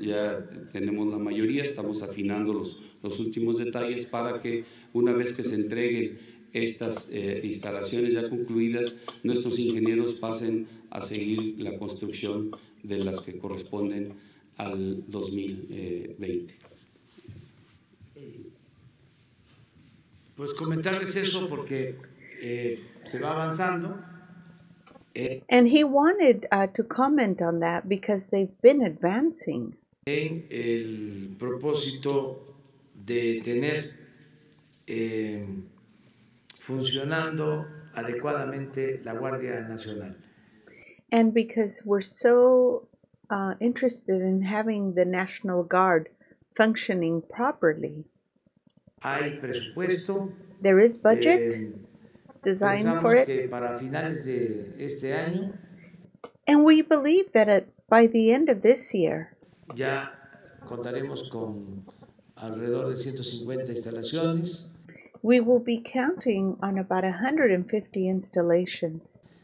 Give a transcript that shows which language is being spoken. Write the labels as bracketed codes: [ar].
[es] Ya tenemos la mayoría, estamos afinando los últimos detalles para que una vez que se entreguen estas instalaciones ya concluidas, nuestros ingenieros pasen a seguir la construcción de las que corresponden al 2020. Pues comentarles eso porque se va avanzando. [en] And he wanted to comment on that because they've been advancing. [es] En el propósito de tener funcionando adecuadamente la Guardia Nacional. [en] And because we're so interested in having the National Guard functioning properly. [es] Hay presupuesto. [en] There is budget designed for it. [es] Que para finales de este año. [en] And we believe that by the end of this year. [es] Ya contaremos con alrededor de 150 instalaciones. [en] We will be counting on about 150 installations.